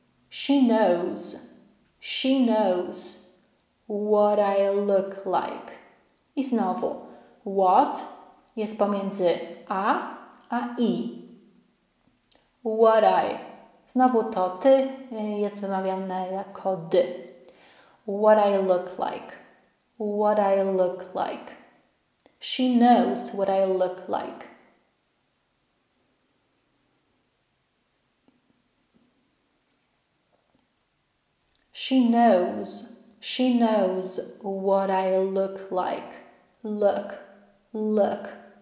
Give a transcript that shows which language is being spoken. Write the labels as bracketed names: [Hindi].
[English] She knows what I look like. [Polish] I znowu, what jest pomiędzy a i. [English] What I. [Polish] Znowu to ty jest wymawiane jako d. [English] What I look like. She knows what I look like. She knows She knows what I look like. Look, look.